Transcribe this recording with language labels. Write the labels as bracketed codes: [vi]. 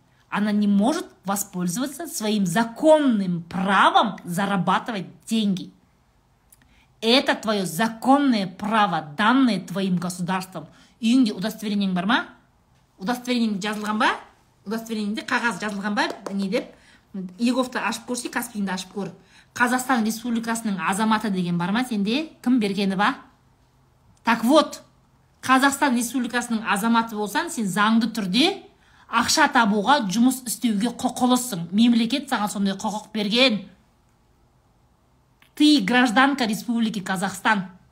[ru] Она не может воспользоваться своим законным правом зарабатывать деньги. Это твое законное право, данное твоим государством. [kk] Үйінде удостоверениең бар ма? Удостоверениең жазылған ба? Удостоверениеңде қағаз жазылған ба? Не деп? иговты ашып көрсей, каспийінді ашып көр. Қазақстан республикасының азаматы деген бар ма сенде? Кім бергені ба? [ru] Так вот, [kk] Қазақстан республикасының азаматы болсаң, сен заңды түрде ақша табуға, жұмыс істеуге құқылысың. Мемлекет саған сондай құқық берген. [ru] Ты гражданка республики Казахстан.